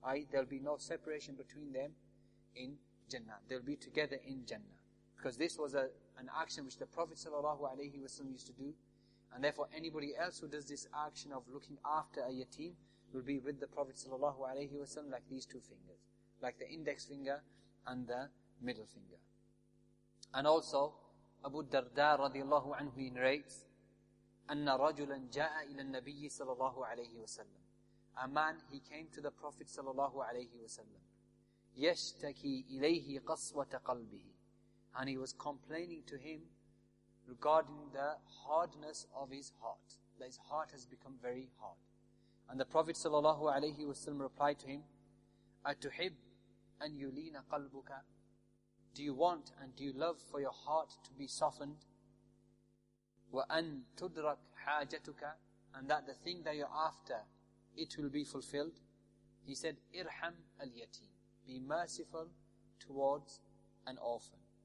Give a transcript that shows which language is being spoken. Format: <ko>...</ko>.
<en>There'll be no separation between them in Jannah. They'll be together in Jannah. Because this was an action which the Prophet sallallahu alayhi wasallam used to do. And therefore anybody else who does this action of looking after a yatim will be with the Prophet sallallahu alayhi wasallam like these two fingers. Like the index finger and the middle finger. And also, Abu Darda radiallahu anhu narrates,</en> <ar>أَنَّ رَجُلًا جَاءَ إِلَى النَّبِيِّ صَلَى اللَّهُ عَلَيْهِ وَسَلَّمُ.</ar> <en>A man, he came to the Prophet</en> <ar>صلى الله عليه وسلم. يَشْتَكِي إِلَيْهِ قَصْوَةَ قَلْبِهِ.</ar> <en>And he was complaining to him regarding the hardness of his heart. That his heart has become very hard. And the Prophet</en> <ar>صلى الله عليه وسلم</ar> <en>replied to him,</en> <ar>أَتُحِبْ أَنْ يُلِينَ قَلْبُكَ.</ar> <en>Do you want and do you love for your heart to be softened?</en> <ar>وَأَن تُدْرَكْ حَاجَتُكَ,</ar> <en>and that the thing that you're after, it will be fulfilled. He said,</en> <ar>إِرْحَمْ الْيَتِيمِ,</ar> <en>be merciful towards an orphan.</en>